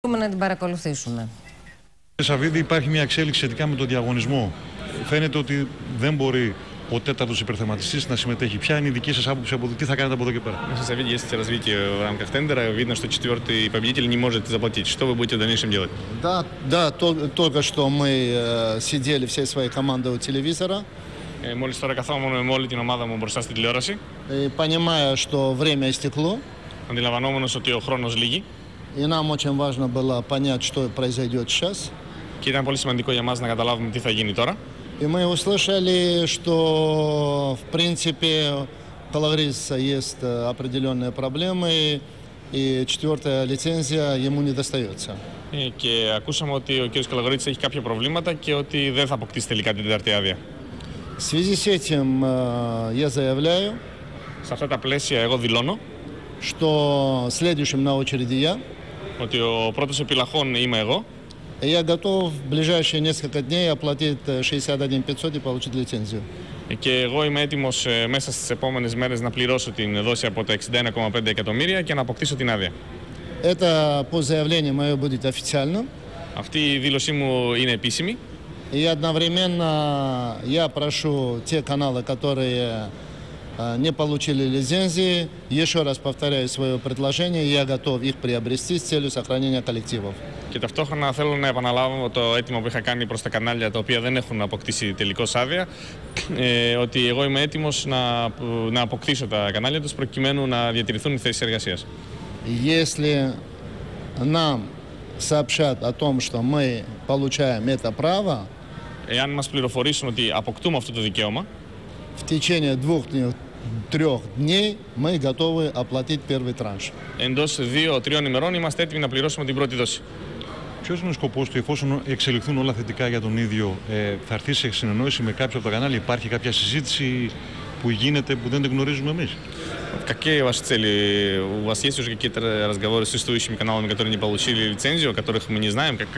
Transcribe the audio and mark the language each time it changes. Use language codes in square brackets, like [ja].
[el] Μπορούμε να την παρακολουθήσουμε. Κύριε Σαββίδη, υπάρχει μια εξέλιξη σχετικά με τον διαγωνισμό. Φαίνεται ότι δεν μπορεί ο τέταρτος υπερθεματιστής να συμμετέχει. Ποια είναι η δική σας άποψη από εδώ, τι θα κάνετε από εδώ και πέρα? Μέσα σε αυτή τη [ru] развитие в рамках тендера видно, что четвертый победитель не может заплатить. Что вы будете в дальнейшем делать? Да, да, только что мы сидели всей своей командой у телевизора. [el] Μόλις τώρα καθόμουν με όλη την ομάδα μου μπροστά στην τηλεόραση. [ru] Понимая, что время истекло. [el] Αντιλαμβανόμενος ότι ο χρόνος λύγει. [ru] И нам очень важно было понять, что произойдет сейчас. [el] Και ήταν πολύ σημαντικό για μας να καταλάβουμε τι θα γίνει τώρα. [ru] И мы услышали, что в принципе у Калавриса есть определенные проблемы, и четвертая лицензия ему не достается. [el] Και ακούσαμε ότι ο κ. Καλαβρίτης έχει κάποια προβλήματα και ότι δεν θα αποκτήσει τελικά την τέταρτη άδεια. [ru] В связи с этим я заявляю. [el] Σε αυτά τα πλαίσια εγώ δηλώνω. [ru] Что следующим на очереди я. [el] Ότι ο πρώτος επιλαχών είμαι εγώ. [ru] Я готов в ближайшие несколько дней оплатить 61 500 и получить лицензию. [el] Και εγώ είμαι έτοιμος μέσα στις επόμενες μέρες να πληρώσω την δόση από τα 61,5 εκατομμύρια και να αποκτήσω την άδεια. [ru] Это по заявлению мое будет официально. [el] Αυτή η δήλωσή μου είναι επίσημη. [ru] И одновременно я прошу те каналы, которые не получили лицензии, еще раз повторяю свое предложение, я готов их приобрести с целью сохранения коллективов. [el] Και ταυτόχρονα θέλω να επαναλάβω το αίτημα που είχα κάνει προς τα κανάλια τα οποία δεν έχουν αποκτήσει τελικώς άδεια, ότι εγώ είμαι έτοιμος να αποκτήσω τα κανάλια τους προκειμένου να διατηρηθούν οι θέσεις εργασίας. [ru] Если нам сообщат о том, что мы получаем это право, [el] εάν μας πληροφορήσουν ότι αποκτούμε αυτό το δικαίωμα, [ru] в течение двух-трех дней мы готовы оплатить первый транш. [el] Εντός 2-3 ημερών είμαστε έτοιμοι να πληρώσουμε την πρώτη δόση. Ποιος είναι ο σκοπός του, εφόσον εξελιχθούν όλα θετικά για τον ίδιο, θα έρθει σε συνεννόηση με κάποιο από τα κανάλια, υπάρχει κάποια συζήτηση που γίνεται που δεν την γνωρίζουμε εμείς? [ru] Какие ваши цели? У вас есть уже какие-то разговоры с существующими каналами, которые не получили лицензию, о которых мы не знаем?